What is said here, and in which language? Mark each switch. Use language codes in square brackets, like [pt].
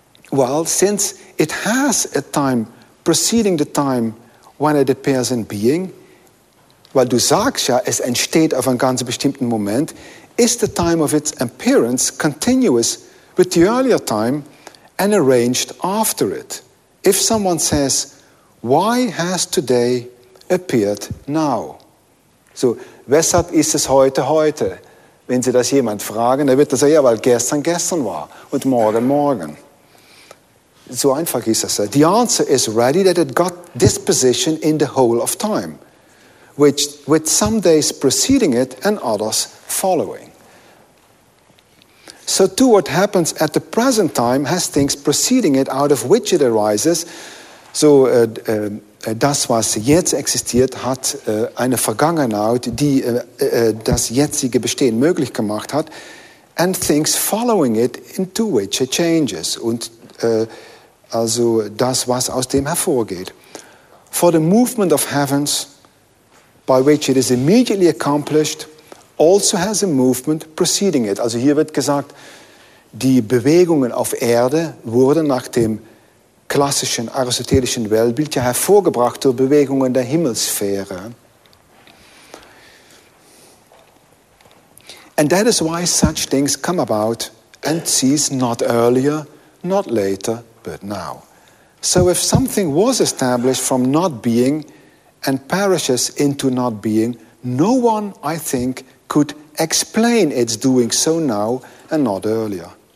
[en] Well, since it has a time preceding the time when it appears in being, [de] weil du sagst ja, es entsteht auf einem ganz bestimmten Moment, [en] is the time of its appearance continuous with the earlier time and arranged after it? If someone says, why has today appeared now? [de] So, weshalb ist es heute heute? Wenn Sie das jemand fragen, dann wird er sagen, ja, weil gestern gestern war und morgen morgen. So einfach ist es. [en] The answer is ready that it got this position in the whole of time, which with some days preceding it and others following. So too what happens at the present time has things preceding it out of which it arises. [de] So das, was jetzt existiert, hat eine Vergangenheit, die das jetzige Bestehen möglich gemacht hat, [en] and things following it into which it changes. [de] Und also das, was aus dem hervorgeht. [en] For the movement of heavens, by which it is immediately accomplished, also has a movement preceding it. [de] Also hier wird gesagt, die Bewegungen auf Erde wurden nach dem klassischen aristotelischen Weltbild ja hervorgebracht durch Bewegungen der Himmelssphäre. [en] And that is why such things come about and cease not earlier, not later, but now. So if something was established from not being and perishes into not being, no one, I think, could explain its doing so now and not earlier.